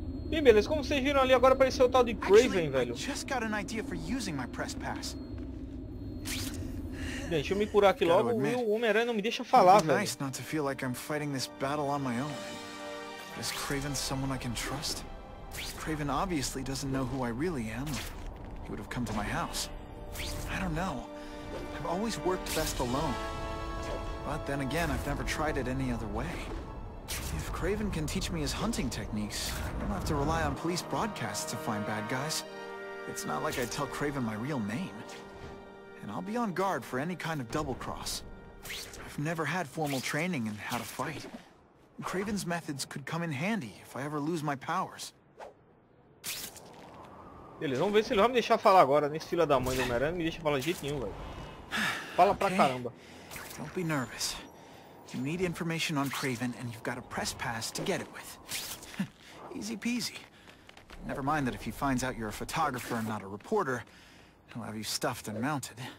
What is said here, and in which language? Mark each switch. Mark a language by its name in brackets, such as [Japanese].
[Portuguese] Bem, beleza, como vocês viram ali, agora apareceu o tal de Kraven, velho. [English] I just got an idea for using my press pass. [Portuguese] Bem, deixa eu me curar aqui logo. Admit, o Homem-Aranha não me deixa falar, velho. [English] Nice not to feel like I'm fighting this battle on my own. Is Kraven someone I can trust? Kraven obviously doesn't know who I really am. He would have come to my house. I don't know. I've always worked best alone. But then again, I've never tried it any other way. If Kraven can teach me his hunting techniques, I don't have to rely on police broadcasts to find bad guys. It's not like I'd tell Kraven my real name. And I'll be on guard for any kind of double cross. I've never had formal training in how to fight. Kraven's methods could come in handy if I ever lose my powers. [Portuguese] Beleza, vamos ver se ele vai me deixar falar agora. Nesse filho da mãe do Homem-Aranha me deixa falar de jeito nenhum, velho. Fala pra caramba. [English] Don't be nervous. You need information on Kraven and you've got a press pass to get it with. Easy peasy. Never mind that if he finds out you're a photographer and not a reporter, he'll have you stuffed and mounted.